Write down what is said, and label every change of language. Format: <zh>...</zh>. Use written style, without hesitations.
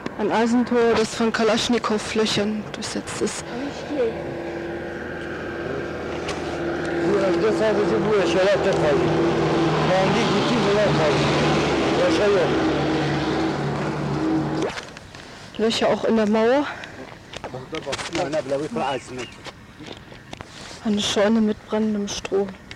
<de>Ein Eisentor, das von Kalaschnikow-Flöchern durchsetzt ist.</de> <tr>Bu evde sadece bu eşyalar da kaldı. Kendi gitti bunlar kaldı.</tr> <de>Löcher</de> <tr>yok.</tr> <de>Löcher auch in der Mauer. Eine Scheune mit brennendem Stroh.</de>